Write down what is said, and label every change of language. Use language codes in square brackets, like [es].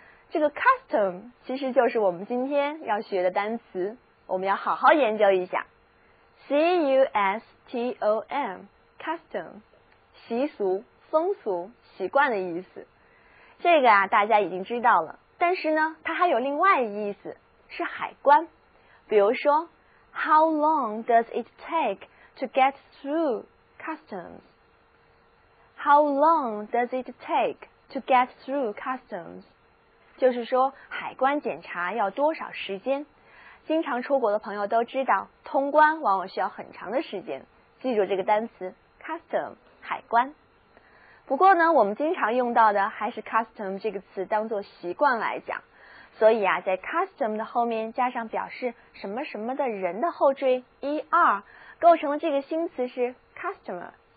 [zh] 这个 custom 其实就是我们今天要学的单词，我们要好好研究一下 custom， custom， 习俗、风俗、习惯的意思。这个啊，大家已经知道了。但是呢，它还有另外的意思，是海关。比如说 [en] ，How long does it take to get through customs？ How long does it take to get through customs？ [zh] 就是说，海关检查要多少时间？经常出国的朋友都知道，通关往往需要很长的时间。记住这个单词 custom 海关。不过呢，我们经常用到的还是 custom 这个词当作习惯来讲，所以啊，在 custom 的后面加上表示什么什么的人的后缀 er， 构成了这个新词是 customer。